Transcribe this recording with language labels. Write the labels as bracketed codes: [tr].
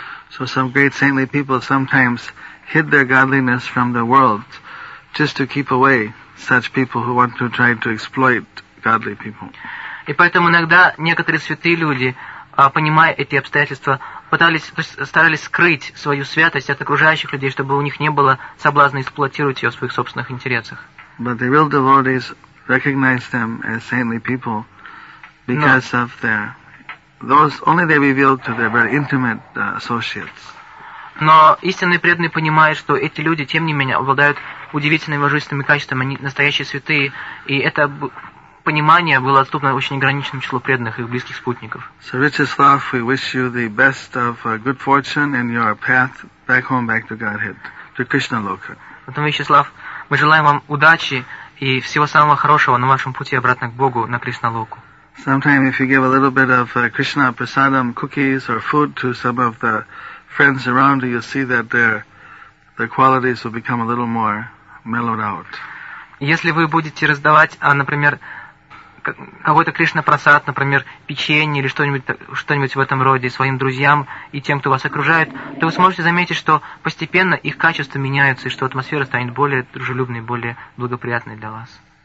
[en] So some great saintly people sometimes hid their godliness from the world just to keep away such people who want to try to exploit godly people. [ru] И поэтому иногда некоторые святые люди, понимая эти обстоятельства, старались скрыть свою святость от окружающих людей, чтобы у них не было соблазна эксплуатировать ее в своих собственных интересах. [en] But the real devotees recognize them as saintly people because of their those only they reveal to their very intimate associates. [ru] Но истинные преданные понимают, что эти люди, тем не менее, обладают удивительными божественными качествами, они настоящие святые, и это понимание было доступно очень ограниченному числу преданных и их близких спутников. [en] So, Vyacheslav, we wish you the best of good fortune in your path back home, back to Godhead, to Krishna Loka. [ru] Потом, Вячеслав, мы желаем вам удачи и всего самого хорошего на вашем пути обратно к Богу, на Кришналоку. [en] Sometimes if you give a little bit of Krishna Prasadam cookies or food to some of the friends around you, you'll see that their qualities will become a little more mellowed out. [ru] Если вы будете раздавать, например, какой-то Кришна Прасад, например, печенье или что-нибудь в этом роде своим друзьям и тем, кто вас окружает, то вы сможете заметить, что постепенно их качества меняются и что атмосфера станет более дружелюбной, более благоприятной для вас.